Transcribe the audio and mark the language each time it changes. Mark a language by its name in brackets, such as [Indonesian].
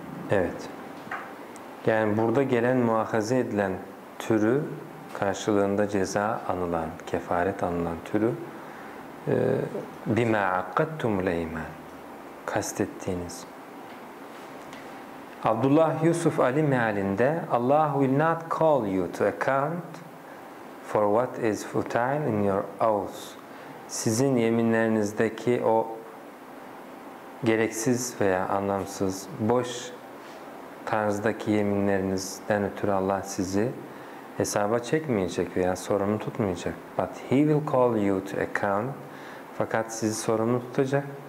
[Turkish] Evet. Yani burada gelen muahaze edilen türü karşılığında ceza anılan, kefaret anılan türü bima akattum leymen kastettiğiniz. [English] Abdullah Yusuf Ali mealinde Allah will not call you to account for what is futile in your oaths. [Turkish] Sizin yeminlerinizdeki o gereksiz veya anlamsız boş tarzdaki yeminlerinizden ötürü Allah sizi hesaba çekmeyecek veya sorumlu tutmayacak. [English] But he will call you to account. [Turkish] Fakat sizi sorumlu tutacak.